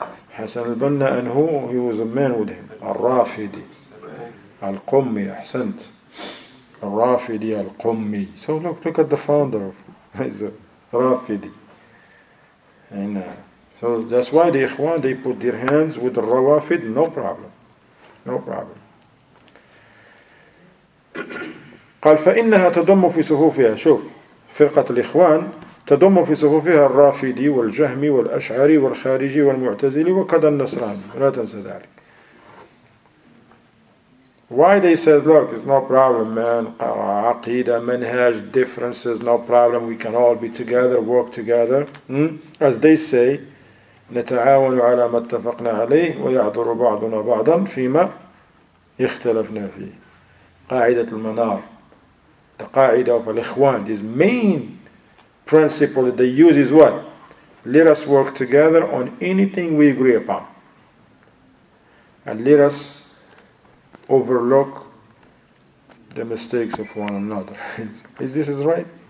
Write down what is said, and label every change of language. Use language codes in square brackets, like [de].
[en] Hassan al-Banna. And who? He was a man with him. Al-Rafidi. Al-Qummi. Ahsant. Rafidi al-Qummi. So look at the founder of Rafidi. And so that's why the Ikhwan, they put their hands with the Rawafid, no problem. No problem. [ar] قال فإنها تضم في صفوفها شوف فرقة الإخوان تضم في صفوفها الرافدي والجهمي والأشعري والخارجي والمعتزلي وكذا النصراني لا تنسى ذلك. [en] Why they said, look, it's no problem, man. عقيدة, منهج, differences, no problem. We can all be together, work together. As they say, [ar] نتعاون على ما اتفقنا عليه ويعذر بعضنا بعضا فيما اختلفنا فيه. قاعدة المنار. [en] The قاعدة of الإخوان. His main principle that they use is what? Let us work together on anything we agree upon. And let us overlook the mistakes of one another. Is this is right?